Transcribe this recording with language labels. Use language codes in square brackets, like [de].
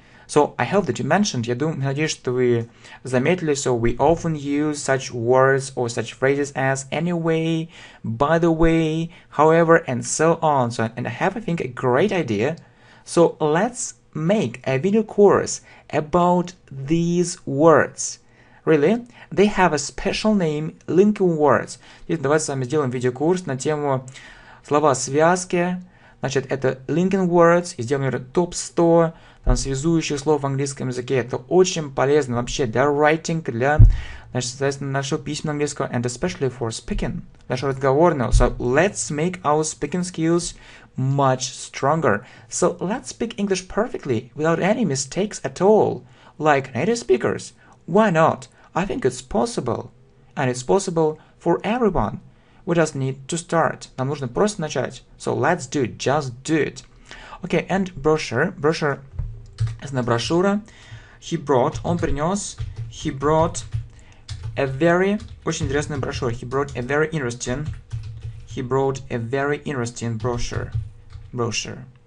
[en] So, I hope that you mentioned, [ru] я думаю, надеюсь, что вы заметили, [en] so we often use such words or such phrases as anyway, by the way, however, and so on. So, and I have, I think, a great idea. So, let's make a video course about these words. Really? They have a special name, linking words. [ru] Итак, давайте с вами сделаем видеокурс на тему слова-связки. Значит, это linking words, и сделаем, например, топ 100 там связующих слов в английском языке. Это очень полезно вообще для writing, для, значит, соответственно, нашего письменного английского, [en] and especially for speaking, [ru] нашего разговорного. [en] So, let's make our speaking skills much stronger. So, let's speak English perfectly, without any mistakes at all, like native speakers. Why not? I think it's possible, and it's possible for everyone. We just need to start. [ru] Нам нужно просто начать. [en] So, let's do it. Just do it. Okay, and brochure. Brochure. [ru] Это на брошюра. [en] He brought, [ru] он принес. [en] He brought a very, [ru] очень интересная брошюра. [en] He brought a very interesting. He brought a very interesting brochure. Brochure.